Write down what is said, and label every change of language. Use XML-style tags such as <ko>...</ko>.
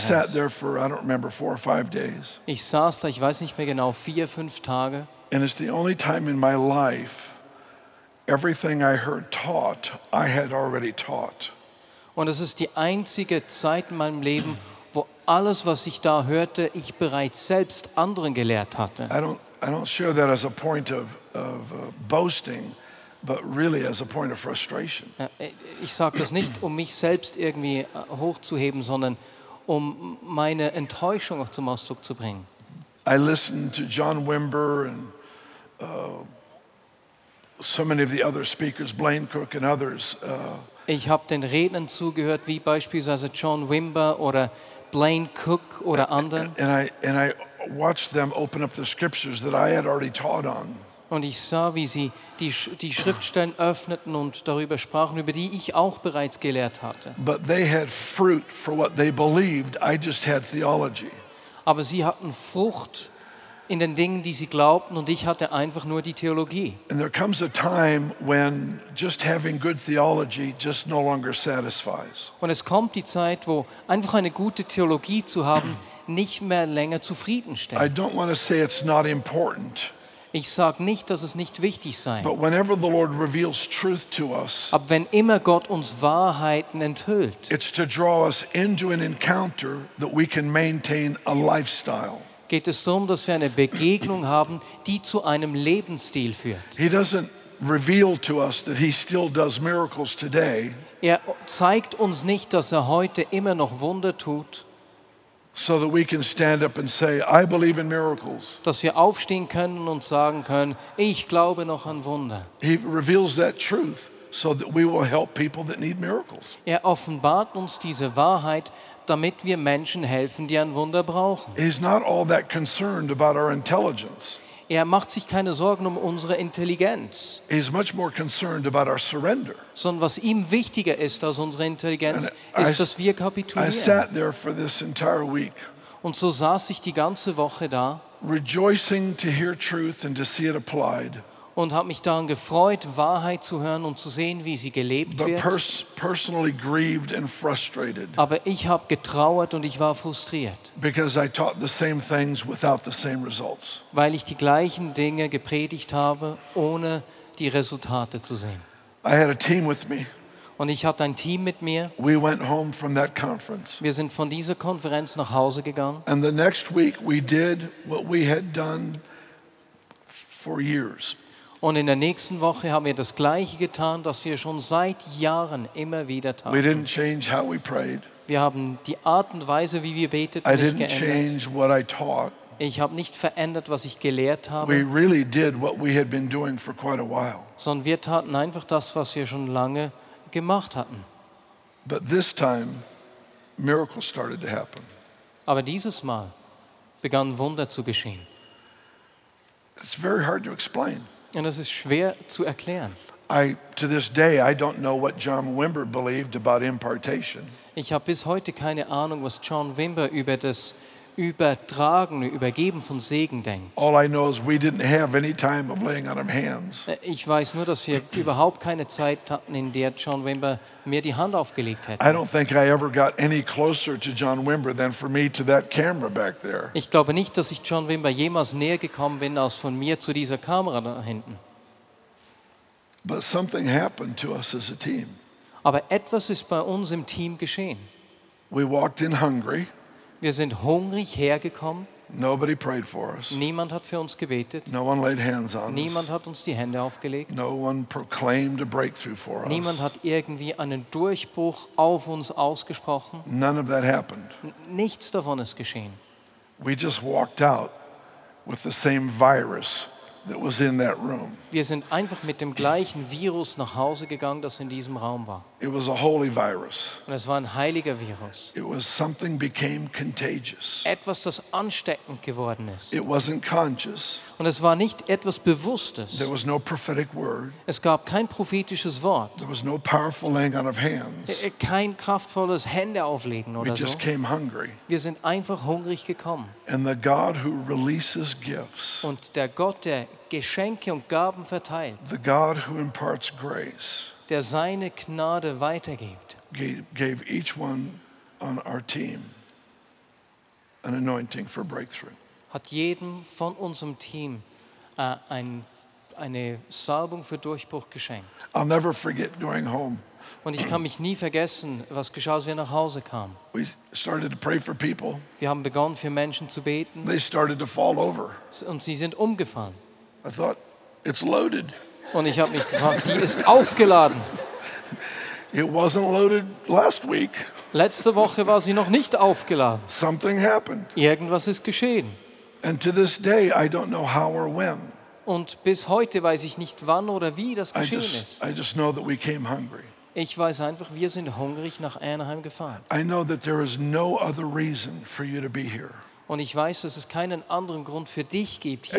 <en>I sat there for, I don't remember, 4 or 5 days.</en> <de>Ich saß da, ich weiß nicht mehr genau, 4, 5 Tage.</de> <en>And it's the only time in my life everything I heard taught, I had already taught.</en> <de>Und es ist die einzige Zeit in meinem Leben, wo alles, was ich da hörte, ich bereits selbst anderen gelehrt hatte.</de> <en>I don't share that as a point of boasting, but really as a point of frustration.</en> <de>Ich sage das nicht, mich selbst irgendwie hochzuheben, sondern meine Enttäuschung auch zum Ausdruck zu bringen.</de> <en>I listened to John Wimber and so many of the other speakers, Blaine Cook and others.</en> <de>Ich habe den Rednern zugehört, wie beispielsweise John Wimber oder Blaine Cook oder anderen.</de> <en>And I watched them open up the scriptures that I had already taught on.</en> <de>Und ich sah, wie sie die Schriftstellen öffneten und darüber sprachen, über die ich auch bereits gelehrt hatte.</de> <en>But they had fruit for what they believed. I just had theology.</en> <de>Aber sie hatten Frucht in den Dingen, die sie glaubten, und ich hatte einfach nur die Theologie.</de> <en>And there comes a time when just having good theology just no longer satisfies.</en> <de>Und es kommt die Zeit, wo einfach eine gute Theologie zu haben nicht mehr länger zufriedenstellt.</de> <en>I don't want to say it's not important.</en> <de>Ich sage nicht, dass es nicht wichtig sei.</de> <en>But whenever the Lord reveals truth to us,</en> <de>ab wenn immer Gott uns Wahrheiten enthüllt,</de> <en>it's to draw us into an encounter that we can maintain a lifestyle.</en> <de>Geht es darum, dass wir eine Begegnung haben, die zu einem Lebensstil führt.</de> <en>He doesn't reveal to us that he still does miracles today.</en> <de>Er zeigt uns nicht, dass heute immer noch Wunder tut.</de> <en>So that we can stand up and say, I believe in miracles.</en> <de>Dass wir aufstehen können und sagen können, ich glaube noch an Wunder.</de> <en>He reveals that truth so that we will help people that need miracles.</en> <de>Er offenbart uns diese Wahrheit, damit wir Menschen helfen, die ein Wunder brauchen.</de> <en>He's not all that concerned about our intelligence.</en> <de>Er macht sich keine Sorgen unsere Intelligenz.</de> <en>He's much more concerned about our surrender.</en> <de>Sondern was ihm wichtiger ist als unsere Intelligenz, and ist, dass wir kapitulieren.</de> <en>I sat there for this entire week.</en> <de>Und so saß ich die ganze Woche da.</de> <en>Rejoicing to hear truth and to see it applied.</en> <de>Und habe mich daran gefreut, Wahrheit zu hören und zu sehen, wie sie gelebt wird.</de> <en>Personally grieved and frustrated.</en> <de>Aber ich habe getrauert und ich war frustriert.</de> <en>Because I taught the same things without the same results.</en> <de>Weil ich die gleichen Dinge gepredigt habe, ohne die Resultate zu sehen.</de> <en>I had a team with me.</en> <de>Und ich hatte ein Team mit mir.</de> <en>We went home from that conference.</en> <de>Wir sind von dieser Konferenz nach Hause gegangen.</de> <en>And the next week we did what we had done for years.</en> <de>Und in der nächsten Woche haben wir das Gleiche getan, das wir schon seit Jahren immer wieder taten.</de> <en>We didn't change how we prayed.</en> <de>Wir haben die Art und Weise, wie wir beteten, nicht geändert.</de> <en>I didn't change what I taught.</en> <de>Ich habe nicht verändert, was ich gelehrt habe.</de> <en>We really did what we had been doing for quite a while.</en> <de>Sondern wir taten einfach das, was wir schon lange gemacht hatten.</de> <en>But this time, miracles started to happen.</en> <de>Aber dieses Mal begannen Wunder zu geschehen.</de> <en>It's very hard to explain.</en> <de>Und es ist schwer zu erklären.</de> <en>To this day, I don't know what John Wimber believed about impartation.</en> <de>Ich habe bis heute keine Ahnung, was John Wimber über das Übertragen, Übergeben von Segen denkt.</de> <en>All I know is we didn't have any time of laying on of hands.</en> <de>Ich weiß nur, dass wir überhaupt keine Zeit hatten, in der John Wimber mir die Hand aufgelegt hätte.</de> <en>I don't think I ever got any closer to John Wimber than for me to that camera back there.</en> <de>Ich glaube nicht, dass ich John Wimber jemals näher gekommen bin als von mir zu dieser Kamera da hinten.</de> <en>But something happened to us as a team.</en> <de>Aber etwas ist bei uns im Team geschehen.</de> <en>We walked in hungry.</en> <de>Wir sind hungrig hergekommen.</de> <en>Nobody prayed for us.</en> <de>Niemand hat für uns gebetet.</de> <en>No one laid hands on</en> <de>Niemand</de> <en>us.</en> <de>Hat uns die Hände aufgelegt.</de> <en>No one proclaimed a breakthrough for</en> <de>Niemand</de> <en>us.</en> <de>Niemand hat irgendwie einen Durchbruch auf uns ausgesprochen.</de> <en>None of that happened.</en> <de>Nichts davon ist geschehen.</de> <en>We just walked out with the same virus that was in that room.</en> <de>Wir sind einfach mit dem gleichen Virus nach Hause gegangen, das in diesem Raum war.</de> <en>It was a holy virus.</en> <de>Und es war ein heiliger Virus.</de> <en>It was something became contagious.</en> <de>Etwas, das ansteckend geworden ist.</de> <en>It wasn't conscious.</en> <de>Und es war nicht etwas Bewusstes.</de> <en>There was no prophetic word.</en> <de>Es gab kein prophetisches Wort.</de> <en>There was no powerful laying on of hands.</en> <de>Kein kraftvolles Händeauflegen oder</de> <en>so. We just came hungry.</en> <de>Wir sind einfach hungrig gekommen.</de> <en>And the God who releases gifts.</en> <de>Und der Gott, der Geschenke und Gaben verteilt.</de> <en>The God who imparts grace.</en> <de>Der seine Gnade weitergibt.</de> <en>Gave each one on our team an anointing for breakthrough.</en> <de>Hat jedem von unserem Team eine Salbung für Durchbruch geschenkt.</de> <en>I'll never forget going home.</en> <de>Und ich kann mich nie vergessen, was geschah, als wir nach Hause kamen.</de> <en>We started to pray for people.</en> <de>Wir haben begonnen, für Menschen zu beten.</de> <en>They started to fall over.</en> <de>Und sie sind umgefallen.</de> <en>I thought, it's loaded.</en> <de>Und ich habe mich gefragt, die ist aufgeladen.</de> <en>It wasn't loaded last week.</en> <de>Letzte Woche war sie noch nicht aufgeladen.</de> <en>Something happened.</en> <de>Irgendwas ist geschehen.</de> <en>And to this day, I don't know how or when.</en> <de>Und bis heute weiß ich nicht, wann oder wie das geschehen ist.</de> <en>I just know that we came hungry.</en> <de>Ich weiß einfach, wir sind hungrig nach Anaheim gefahren.</de> <en>I know that there is no other reason for you to be here.</en> <de>Und ich weiß, dass es keinen anderen Grund für dich gibt, hier</de>